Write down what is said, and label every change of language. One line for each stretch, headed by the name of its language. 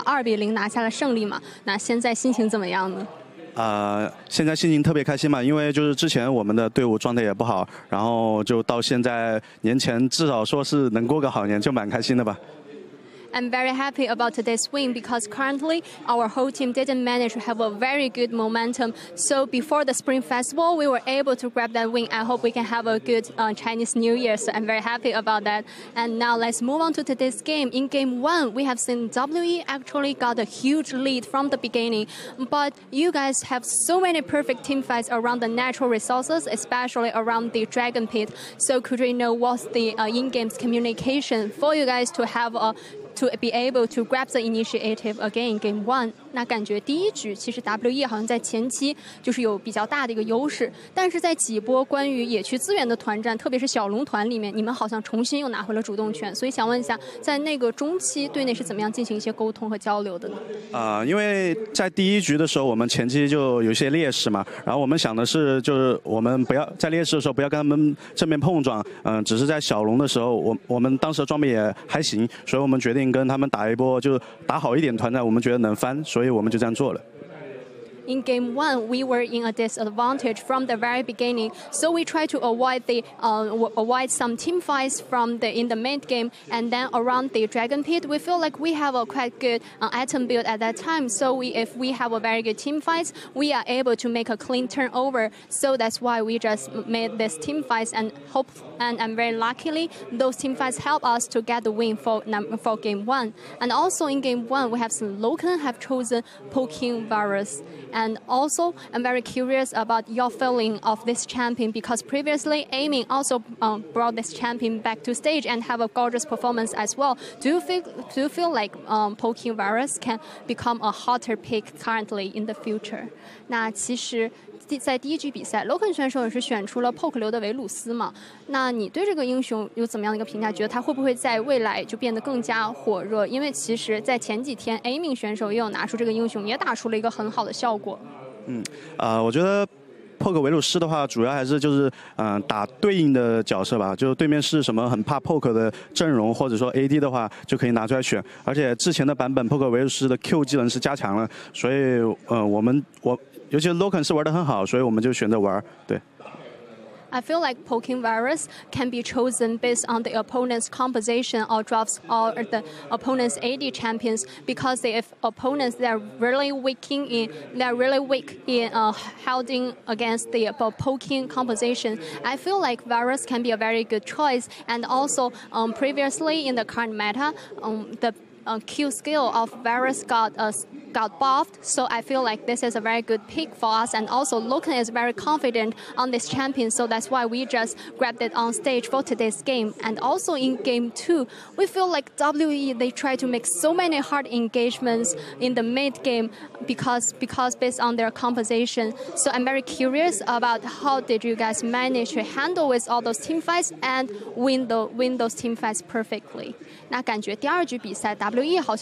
Chinese: 那首先恭喜你们今天又是很干净利落的2-0拿下了胜利嘛，那现在心情怎么样呢？现在心情特别开心嘛， 因为就是之前我们的队伍状态也不好， 然后就到现在年前至少说是能过个好年就蛮开心的吧。
English: I'm very happy about today's win because currently our whole team didn't manage to have a very good momentum. So before the Spring Festival, we were able to grab that win. I hope we can have a good Chinese New Year. So I'm very happy about that. And now let's move on to today's game. In game one, we have seen WE actually got a huge lead from the beginning. But you guys have so many perfect team fights around the natural resources, especially around the Dragon Pit. So could we know what's the in-game communication for you guys to have a to be able to grab the initiative again game one.
Chinese: 那感觉第一局其实 WE好像在前期就是有比较大的一个优势， 但是在几波关于野区资源的团战，特别是小龙团里面， 你们好像重新又拿回了主动权， 所以想问一下， 在那个中期队内是怎么样进行一些沟通和交流的呢？因为在第一局的时候， 我们前期就有些劣势嘛， 然后我们想的是就是我们不要在劣势的时候不要跟他们正面碰撞， 只是在小龙的时候， 我们当时的装备也还行， 所以我们决定跟他们打一波，就打好一点团战，我们觉得能翻，所以我们就这样做了。
English: in game one, we were in a disadvantage from the very beginning. So we tried to avoid the avoid some team fights from the in the mid game, and then around the dragon pit, we feel like we have a quite good item build at that time. So we, if we have a very good team fight, we are able to make a clean turnover. So that's why we just made this team fight, and hope and very luckily those team fights help us to get the win for game one. And also in game one, we have some Loken have chosen Poking Virus. And also, I'm very curious about your feeling of this champion, because previously, Aiming also brought this champion back to stage and have a gorgeous performance as well. Do you feel like Poking Virus can become a hotter pick currently in the future?
Chinese: 那其实在第一局比赛， Loken 选手也是选出了 Poke 留的维鲁斯嘛，那你对这个英雄有怎么样的一个评价？觉得他会不会在未来就变得更加火热？因为其实，在前几天 Aiming 选手也有拿出这个英雄，也打出了一个很好的效果。嗯，我觉得 Poke 维鲁斯的话，主要还是就是打对应的角色吧，就是对面是什么很怕 Poke 的阵容，或者说 AD 的话，就可以拿出来选。而且之前的版本 Poke 维鲁斯的 Q 技能是加强了，所以我们。尤其是Loken是玩得很好，所以我们就选择玩，对。
English: I feel like Poking Virus can be chosen based on the opponent's composition or drops or the opponent's AD champions, because if opponents they're really weak in holding against the Poking composition, I feel like Virus can be a very good choice. And also previously in the current meta, Q skill of Virus got buffed, so I feel like this is a very good pick for us. And also Loken is very confident on this champion, so that's why we just grabbed it on stage for today's game. And also in game two, we feel like WE, they try to make so many hard engagements in the mid game because based on their composition. So I'm very curious about how did you guys manage to handle with all those team fights and win those team fights perfectly.
Chinese: 那感觉第二局比赛 WE